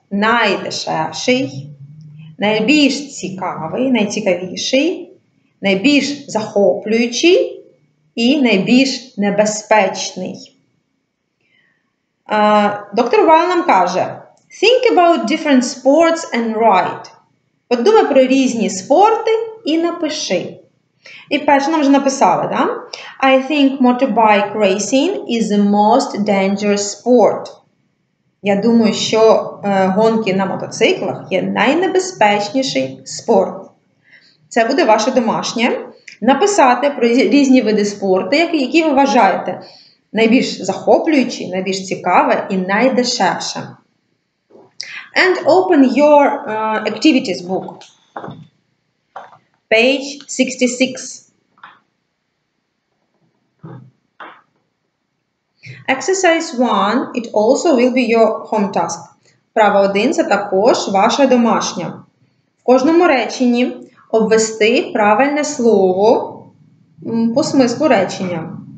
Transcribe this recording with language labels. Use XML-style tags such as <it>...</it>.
<uk>Найдешевший, найбільш цікавий, найцікавіший, найбільш захоплюючий і найбільш небезпечний. Доктор Вайл нам каже,</uk> <en>think about different sports and write.</en> <uk>Подумай про різні спорти і напиши. І перше нам вже написали, да?</uk> <en>I think motorbike racing is the most dangerous sport.</en> <uk>Я думаю, що гонки на мотоциклах є найнебезпечніший спорт. Це буде ваше домашнє. Написати про різні види спорту, які ви вважаєте найбільш захоплюючі, найбільш цікаве і найдешевше.</uk> <en>And open your activities book. Page 66. Exercise 1, it also will be your home task.</en> <uk>Вправа 1, це також ваша домашня. В кожному реченні обвести правильне слово по смислу речення.</uk>